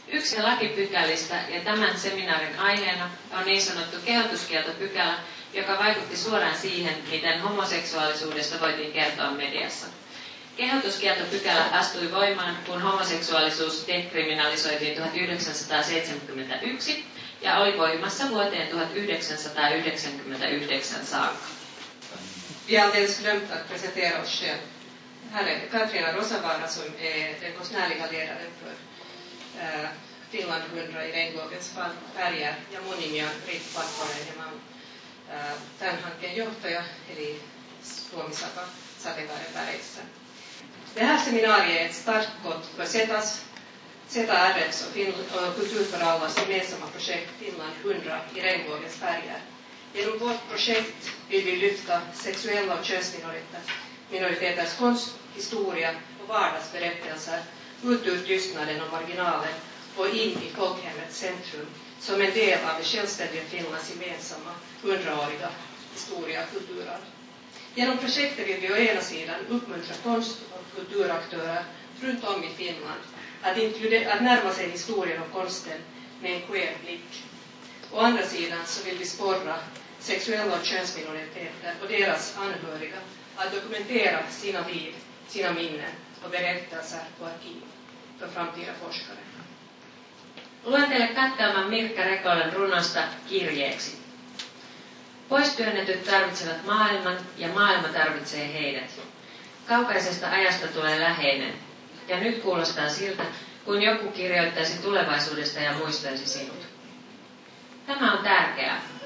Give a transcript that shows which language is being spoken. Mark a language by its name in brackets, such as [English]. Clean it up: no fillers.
[Finnish] yksi lakipykälistä ja tämän seminaarin aiheena on niin sanottu kehotuskieltopykälä, joka vaikutti suoraan siihen, miten homoseksuaalisuudesta voitiin kertoa mediassa. Kehotuskieltopykälä astui voimaan, kun homoseksuaalisuus dekriminalisoitiin 1971 ja oli voimassa vuoteen 1999 saakka. [Swedish] Vi har alldeles glömt att presentera oss själv. Här är Katrina Rosavara som är den konstnärliga ledaren för Finland 100 i regnbågens färger. [Finnish] Ja mun nimi on Riitta Pakkonen ja mä oon tämän hankkeen johtaja, eli Suomisaka sateenvarjon väreissä. [Swedish] Det här seminariet är ett startskott för CETA-RFs och Kultur för allas gemensamma projekt Finland 100 i regnbågens färger. Genom vårt projekt vill vi lyfta sexuella och könsminoriteters konsthistoria och vardagsberättelser ut ur tystnaden och marginalen och in i folkhemmets centrum som en del av det självständiga Finlands gemensamma 100-åriga historia och kulturarv. Genom projektet vill vi å ena sidan uppmuntra konst- och kulturaktörer runt om i Finland att närma sig historien och konsten med en queer blick. Å andra sidan så vill vi sporra sexuella och könsminoriteter och deras anhöriga att dokumentera sina liv, sina minnen och berättelser på arkiv för framtida forskare. [Finnish] Luen teille katkelman Mirkka Rekolen runosta kirjeeksi. Poistyönnetyt tarvitsevat maailman ja maailma tarvitsee heidät. Kaukaisesta ajasta tulee läheinen ja nyt kuulostaa siltä, kun joku kirjoittaisi tulevaisuudesta ja muistaisi sinut. Tämä on tärkeää.